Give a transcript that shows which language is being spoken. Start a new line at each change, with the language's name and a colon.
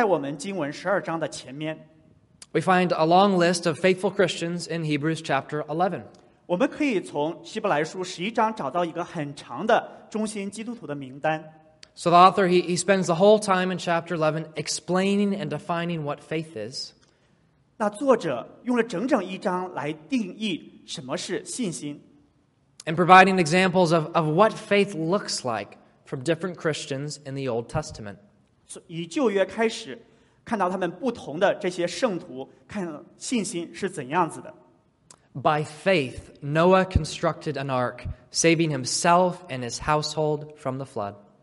Chinese: 那从语境来看，就在我们经文12章的前面。
English: We find a long list of faithful Christians in Hebrews chapter 11.
Chinese: 我们可以从希伯来书11章找到一个很长的忠心基督徒的名单。
English: So the author, he spends the whole time in chapter 11 explaining and defining what faith is.
Chinese: 那作者用了整整一章来定义什么是信心。
English: And providing examples of what faith looks like from different Christians in the Old Testament.
Chinese: 以旧约开始。看到他们不同的这些圣徒看信心是怎样子的。
English: By faith, Noah constructed an ark, saving himself and his household from the flood.